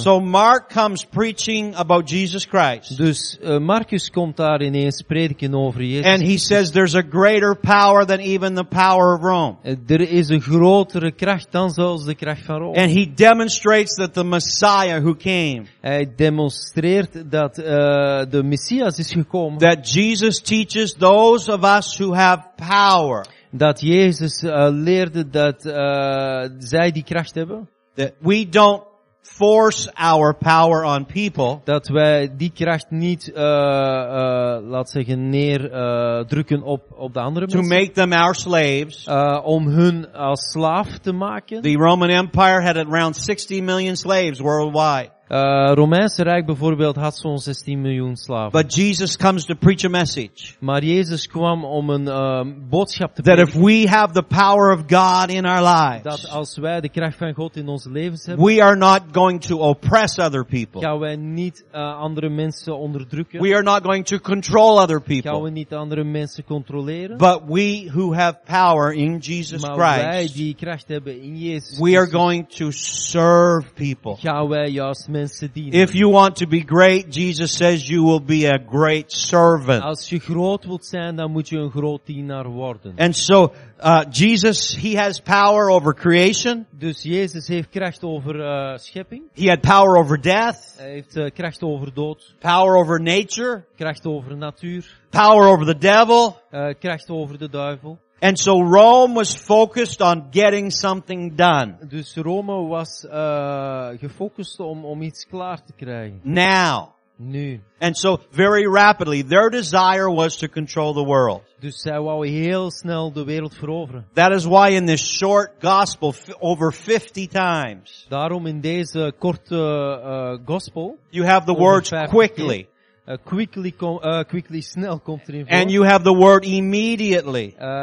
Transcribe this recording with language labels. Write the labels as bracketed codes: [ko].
[en] So Mark comes preaching about Jesus Christ. [nl] Dus Marcus komt daar ineens prediken over Jezus. [en] And he says there's a greater power than even the power of Rome. [nl] Er is een grotere kracht dan zelfs de kracht van Rome. [en] And he demonstrates that the Messiah who came. [nl] Hij demonstreert dat de Messias is gekomen. [en] That Jesus teaches those of us who have power. [nl] Dat Jezus leerde dat zij die kracht hebben. [en] That we don't force our power on people. [nl] Dat wij die kracht niet, laat zeggen, neerdrukken op de andere mensen. [en] To make them our slaves. [nl] Om hun als slaaf te maken. [en] The Roman Empire had around 60 million slaves worldwide. [nl] Romeinse Rijk bijvoorbeeld had zo'n 16 miljoen slaven. [en] But Jesus comes to preach a message. [nl] Maar Jezus kwam om een boodschap te brengen. [en] That if we have the power of God in our lives. [nl] Dat als wij de kracht van God in onze levens hebben. [en] We are not going to oppress other people. [nl] Gaan wij niet andere mensen onderdrukken. [en] We are not going to control other people. [nl] Gaan wij niet andere mensen controleren. [en] But we who have power in Jesus Christ. [nl] Maar wij die kracht hebben in Jezus. [en] We are going to serve people. [nl] Gaan wij juist. [en] If you want to be great, Jesus says you will be a great servant. [nl] Als je groot wilt zijn, dan moet je een groot dienaar worden. [en] And so, Jesus, he has power over creation. [nl] Dus Jezus heeft kracht over schepping. [en] He had power over death. [nl] Hij heeft kracht over dood. [en] Power over nature. [nl] Kracht over natuur. [en] Power over the devil. [nl] Kracht over de duivel. [en] And so Rome was focused on getting something done. [nl] Dus Rome was gefocust om iets klaar te krijgen. [en] Now. [nl] Nu. [en] And so very rapidly their desire was to control the world. [nl] Dus zij wou heel snel de wereld veroveren. [en] That is why in this short gospel over 50 times. [nl] Daarom in deze korte gospel. [en] You have the words quickly. [nl] Quickly, snel komt erin voor. [en] And you have the word immediately.